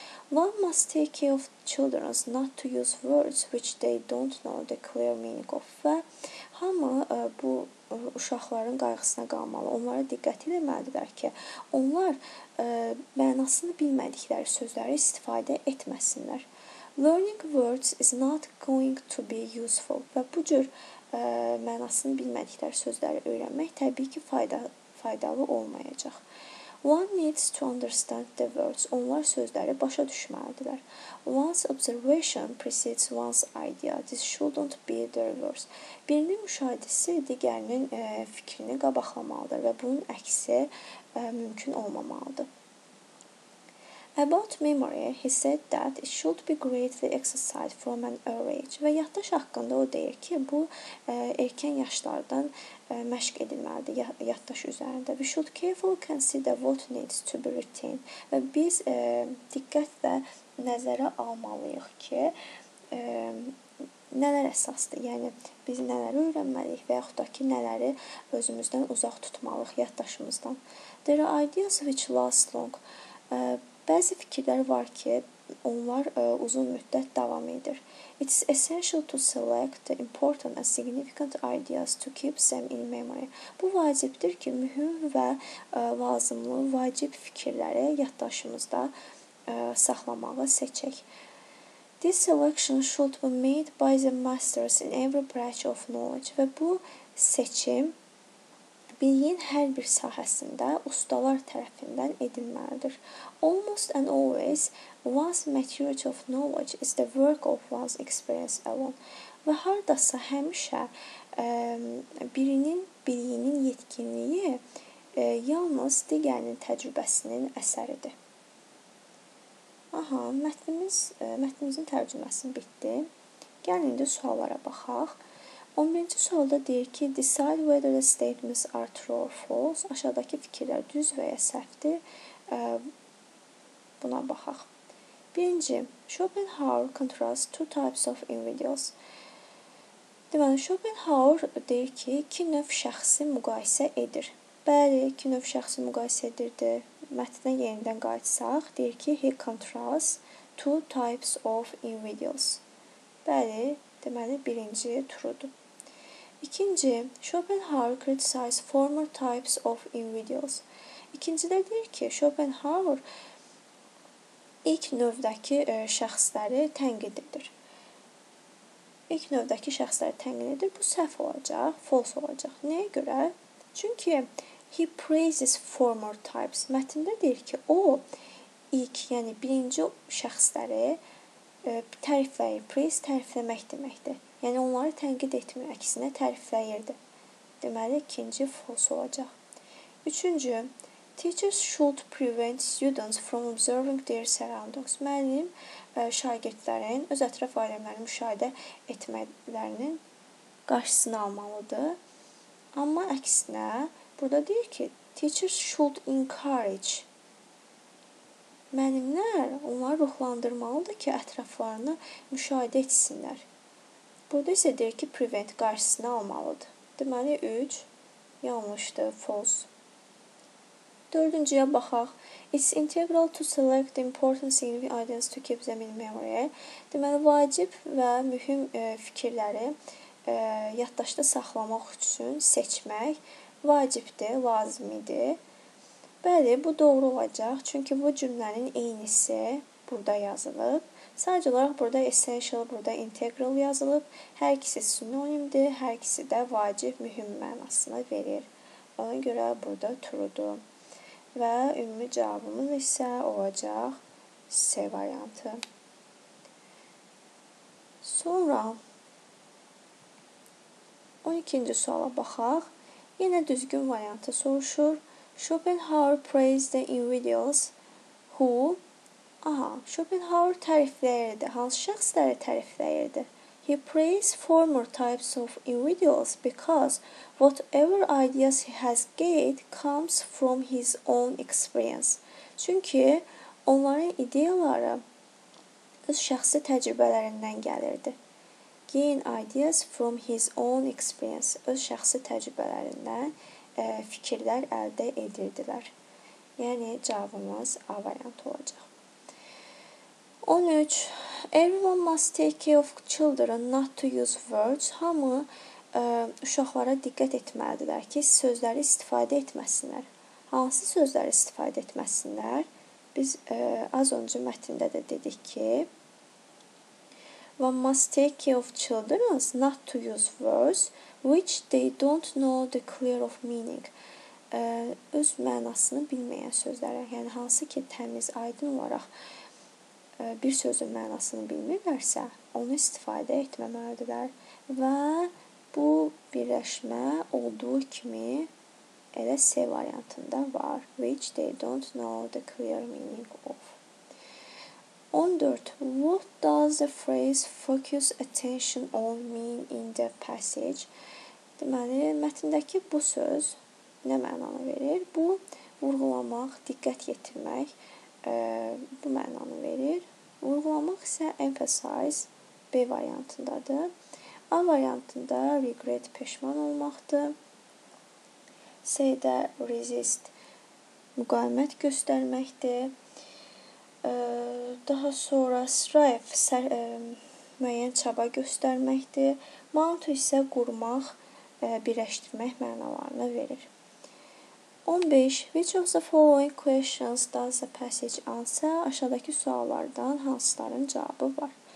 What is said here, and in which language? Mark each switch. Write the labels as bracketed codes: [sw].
[en] One must take care of children not to use words which they don't know the clear meaning of. [az] Və hamı bu uşaqların qayğısına qalmalı, onlara diqqət eləməlidirlər ki, onlar mənasını bilmədikləri sözləri istifadə etməsinlər. [en] Learning words is not going to be useful. [az] Və bu cür mənasını bilmədikləri sözləri öyrənmək təbii ki, faydalı olmayacaq. [en] One needs to understand the words. [az] Onlar sözləri başa düşməlidirlər. [en] One's observation precedes one's idea. This shouldn't be the reverse. [az] Birinin müşahidəsi digərinin fikrini qabaqlamalıdır və bunun əksi mümkün olmamalıdır. [en] About memory, he said that it should be greatly exercised from an early age. [az] Və yaddaş haqqında o deyir ki, bu erkən yaşlardan məşq edilməlidir yaddaş üzərində. [en] We should carefully consider what needs to be retained. [az] Və biz diqqətlə nəzərə almalıyıq ki, nələr əsasdır, yəni biz nələri öyrənməliyik və yaxud da ki, nələri özümüzdən uzaq tutmalıyıq yaddaşımızdan. [en] There are ideas which last long. [az] Bəzi fikirlər var ki, onlar uzun müddət davam edir. [en] It is essential to select the important and significant ideas to keep them in memory. [az] Bu vacibdir ki, mühüm və lazımlı, vacib fikirləri yaddaşımızda saxlamağı seçək. [en] This selection should be made by the masters in every branch of knowledge. [az] Və bu seçim biliyin hər bir sahəsində ustalar tərəfindən edilməlidir. [en] Almost and always, one's maturity of knowledge is the work of one's experience alone. [az] Və hardasa həmişə birinin biliyinin yetkinliyi yalnız digərinin təcrübəsinin əsəridir. Aha, mətnimizin tərcüməsi bitdi. Gəlin indi suallara baxaq. 11-ci sualda deyir ki, [en] decide whether the statements are true or false. [az] Aşağıdakı fikirlər düz və ya səhvdir. Buna baxaq. [en] 1-ci, Schopenhauer contrasts two types of individuals. [az] Deməli, Schopenhauer deyir ki, iki növ şəxsi müqayisə edir. Bəli, iki növ şəxsi müqayisə edirdi. Mətnə yenidən qayıtsaq, deyir ki, [en] he contrasts two types of individuals. [az] Bəli, deməli, birinci turudur. İkinci, [en] Schopenhauer criticizes former types of individuals. [az] İkincidə deyir ki, Schopenhauer ilk növdəki şəxsləri tənqid edir. İlk növdəki şəxsləri tənqid edir. Bu səhv olacaq, false olacaq. Nəyə görə? Çünki [en] he praises former types. [az] Mətində deyir ki, o ilk, yəni birinci şəxsləri tərifləyir, praise tərifləmək deməkdir. Yəni, onları tənqid etmir, əksinə tərifləyirdi. Deməli, ikinci false olacaq. [en] Üçüncü, teachers should prevent students from observing their surroundings. [az] Müəllim şagirdlərin öz ətraf aləmlərini müşahidə etmələrinin qarşısını almalıdır. Amma əksinə, burada deyir ki, [en] teachers should encourage. [az] Müəllimlər onları ruhlandırmalıdır ki, ətraflarını müşahidə etsinlər. Burada isə deyir ki, prevent qarşısını almalıdır. Deməli, 3 yanlışdır, false. Dördüncüye baxaq. [en] It's integral to select the important significant ideas to keep them in memory. [az] Deməli, vacib və mühüm fikirləri yaddaşda saxlamaq üçün seçmək vacibdir, lazımdır. Bəli, bu doğru olacaq. Çünki bu cümlənin eynisi burada yazılıb. Sadəcə olaraq burada essential, burada integral yazılıb. Hər ikisi sinonimdir, hər ikisi də vacib, mühüm mənasını verir. Ona görə burada true-dur. Və ümumi cavabımız isə olacaq C variantı. Sonra 12-ci suala baxaq. Yenə düzgün variantı soruşur. [en] Schopenhauer praised the individuals who... [az] Schopenhauer tərifləyirdi. Hansı şəxsləri tərifləyirdi? [en] He praised former types of individuals because whatever ideas he has gained comes from his own experience. [az] Çünki onların ideyaları öz şəxsi təcrübələrindən gəlirdi. [en] Gain ideas from his own experience. [az] Öz şəxsi təcrübələrindən fikirlər əldə edirdilər. Yəni, cavabımız A variantı olacaq. 13. [en] Everyone must take care of children not to use words. [az] Hamı uşaqlara diqqət etməlidirlər ki, sözləri istifadə etməsinlər. Hansı sözləri istifadə etməsinlər? Biz az öncə mətndə də dedik ki, [en] one must take care of children not to use words which they don't know the clear of meaning. [az] Öz mənasını bilməyən sözlərə, yəni hansı ki təmiz, aydın olaraq bir sözün mənasını bilmirlərsə, onu istifadə etməməlidirlər. Və bu birləşmə olduğu kimi elə C variantında var. [en] Which they don't know the clear meaning of. 14. What does the phrase focus attention on mean in the passage? [az] Deməli, mətindəki bu söz nə mənanı verir? Bu, vurğulamaq, diqqət yetirmək bu mənanı verir. Vurğulamaq isə emphasize B variantındadır. A variantında regret, peşman olmaqdır. C-də resist, müqavimət göstərməkdir. Daha sonra strive, müəyyən çaba göstərməkdir. Mount isə qurmaq, birləşdirmək mənalarını verir. 15. [en] Which of the following questions does the passage answer? [az] Aşağıdakı suallardan hansıların cavabı var?